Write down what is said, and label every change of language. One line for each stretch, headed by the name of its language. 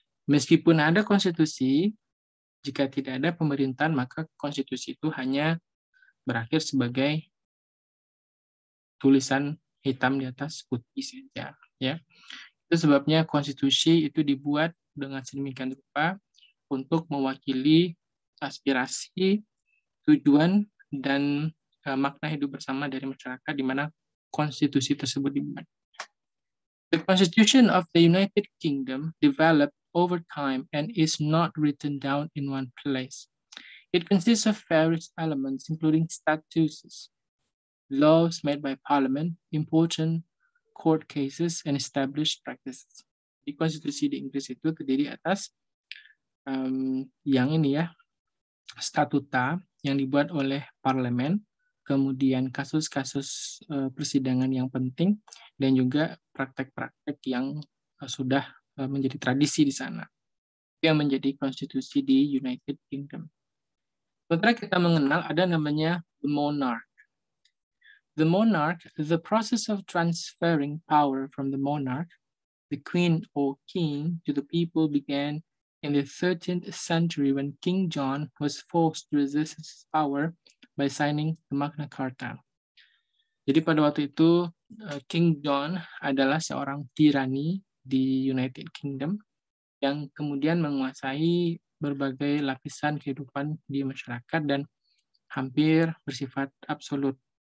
Indonesian: Meskipun ada konstitusi, jika tidak ada pemerintahan, maka konstitusi itu hanya berakhir sebagai tulisan hitam di atas putih saja. Ya. Itu sebabnya konstitusi itu dibuat dengan sedemikian rupa untuk mewakili aspirasi, tujuan, dan makna hidup bersama dari masyarakat di mana konstitusi tersebut dibuat.
English: The Constitution of the United Kingdom developed over time and is not written down in one place. It consists of various elements, including statutes, laws made by Parliament, important court cases, and established practices.
Indonesian: The Constitution di Inggris itu terdiri atas yang ini ya, statuta yang dibuat oleh Parlemen, kemudian kasus-kasus persidangan yang penting, dan juga praktek-praktek yang sudah menjadi tradisi di sana. Itu yang menjadi konstitusi di United Kingdom. Sementara kita mengenal ada namanya the monarch.
English: The monarch, the process of transferring power from the monarch, the queen or king, to the people began in the 13th century when King John was forced to resist his power by signing the Magna Carta.
Indonesian: Jadi pada waktu itu King John adalah seorang tirani di United Kingdom yang kemudian menguasai berbagai lapisan kehidupan di masyarakat dan hampir bersifat absolut.